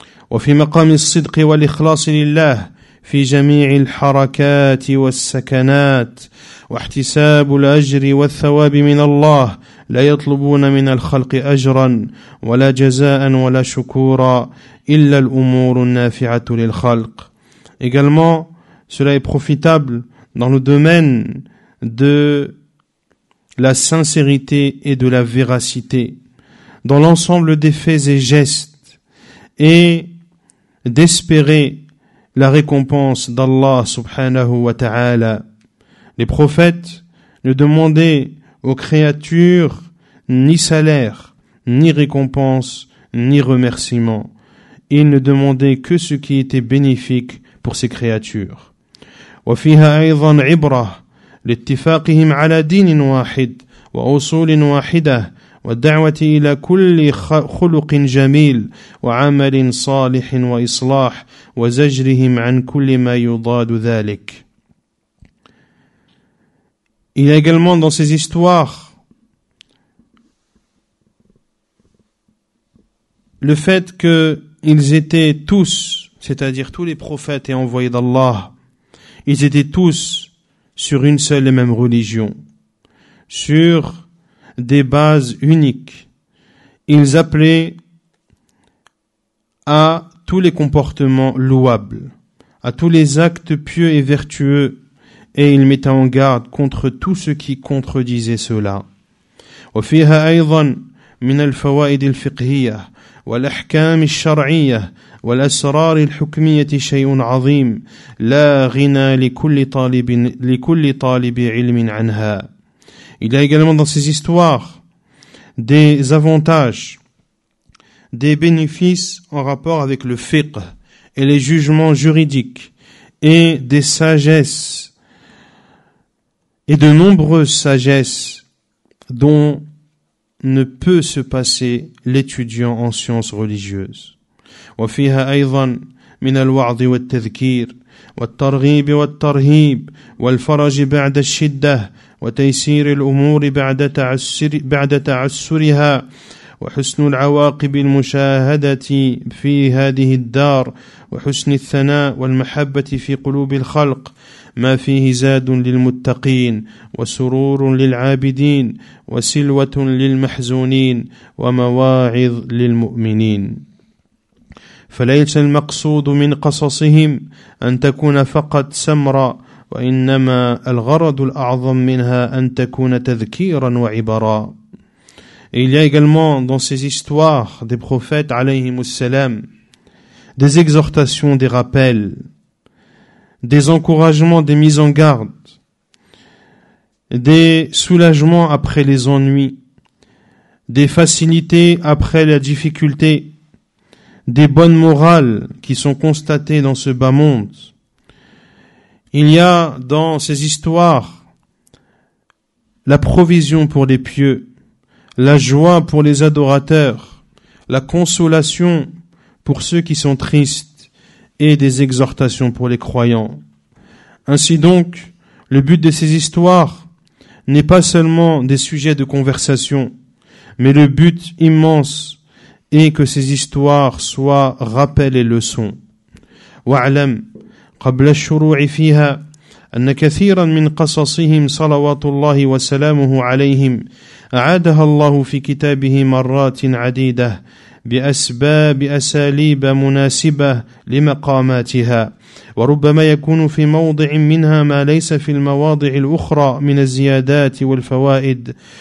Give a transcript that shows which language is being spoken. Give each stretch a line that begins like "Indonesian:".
Arabic: وفي مقام الصدق والإخلاص لله في جميع الحركات والسكنات واحتساب الأجر والثواب من الله لا يطلبون من الخلق أجرا ولا جزاء ولا شكورا إلا الأمور النافعة للخلق.
French: Également, cela est profitable dans le domaine de la sincérité et de la véracité, dans l'ensemble des faits et gestes, et d'espérer la récompense d'Allah subhanahu wa ta'ala. Les prophètes ne demandaient aux créatures ni salaire, ni récompense, ni remerciement. Ils ne demandaient que ce qui était bénéfique pour ces créatures.
Arabic: وفيها أيضا عبرة لاتفاقهم على دين واحد وأصول واحدة والدعوة إلى كل خلق جميل وعمل صالح وإصلاح وزجرهم عن كل ما يضاد ذلك.
French: Il y a également dans ces histoires le fait qu'ils étaient tous, c'est-à-dire tous les prophètes et envoyés d'Allah, ils étaient tous sur une seule et même religion, sur des bases uniques. Ils appelaient à tous les comportements louables, à tous les actes pieux et vertueux, et ils mettaient en garde contre tout ce qui contredisait cela.
Arabic: وفيها أيضا من الفوائد الفقهية والأحكام الشرعية والأسرار الحكمية شيء عظيم لا غنى لكل طالب علم عنها.
French: Il y a également dans ces histoires des avantages, des bénéfices en rapport avec le fiqh et les jugements juridiques et des sagesses et de nombreuses sagesses dont ne peut se passer l'étudiant en sciences religieuses.
Arabic: وفيها أيضا من الوعظ والتذكير والترغيب والترهيب والفرج بعد الشدة وتيسير الأمور بعد تعسرها وحسن العواقب المشاهدة في هذه الدار وحسن الثناء والمحبة في قلوب الخلق ما فيه زاد للمتقين وسرور للعابدين وسلوة للمحزونين ومواعظ للمؤمنين. فليس المقصود من قصصهم أن تكون فقط سمرة وإنما الغرض الأعظم منها أن تكون تذكيرا وعبرا.
French: Il y a également dans ces histoires des prophètes
Arabic: عليهم السلام
French: des exhortations, des rappels, des encouragements, des mises en garde, des soulagements après les ennuis, des facilités après la difficulté, des bonnes morales qui sont constatées dans ce bas monde. Il y a dans ces histoires la provision pour les pieux, la joie pour les adorateurs, la consolation pour ceux qui sont tristes et des exhortations pour les croyants. Ainsi donc, le but de ces histoires n'est pas seulement des sujets de conversation, mais le but immense est que ces histoires soient rappels et leçons.
Arabic: وَعْلَمْ قَبْلَ الشُّرُوعِ فِيهَا أَنَّ كَثِيرًا مِنْ قَصَصِهِمْ صَلَوَاتُ اللَّهِ وَسَلَامُهُ عَلَيْهِمْ أَعَادَهَا اللَّهُ فِي كِتَابِهِ مَرَّاتٍ عَدِيدَةٍ بأسباب أساليب مناسبة لمقاماتها وربما يكون في موضع منها ما ليس في المواضع الأخرى من الزيادات والفوائد